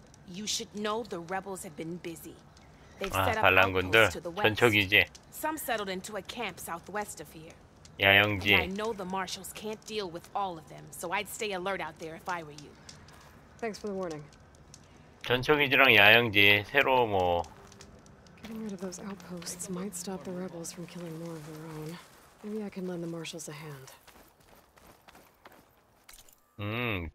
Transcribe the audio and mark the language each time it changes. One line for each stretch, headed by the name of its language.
English: You should know the rebels have been busy. They've set up outposts to the west. Some settled into a camp southwest of here.
Korean: 야영지.
English: I know the marshals can't deal with all of them, so I'd stay alert out there if I were you. Thanks for the warning.
Korean: 전초기지랑 야영지 새로 뭐
English: Getting rid of those outposts might stop the rebels from killing more of their own. Maybe I can lend the marshals a hand.